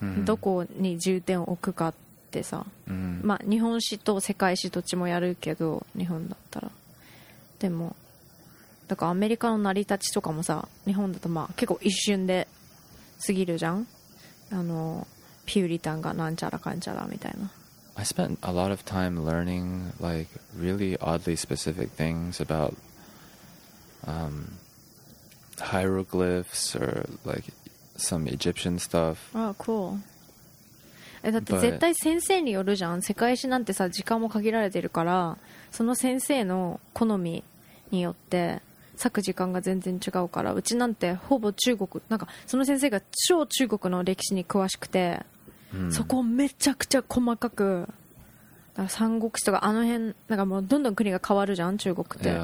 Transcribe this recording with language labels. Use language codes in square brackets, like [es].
[ja] どこに重点を置くかでさ、まあ日本史と世界史どっちもやるけど、日本だったら。でもだからアメリカの成り立ちとかもさ、日本だとまあ結構一瞬で過ぎるじゃん。あのピューリタンがなんちゃらかんちゃらみたいな。 [en] I spent a lot of time learning like really oddly specific things about hieroglyphs or like some Egyptian stuff. Oh, cool. [ja] え、だって絶対先生によるじゃん。世界史なんてさ、時間も限られてるから、その先生の好みによって割く時間が全然違うから、うちなんてほぼ中国、なんかその先生が超中国の歴史に詳しくて、そこをめちゃくちゃ細かく、だから三国志とかあの辺、なんかもうどんどん国が変わるじゃん、中国って、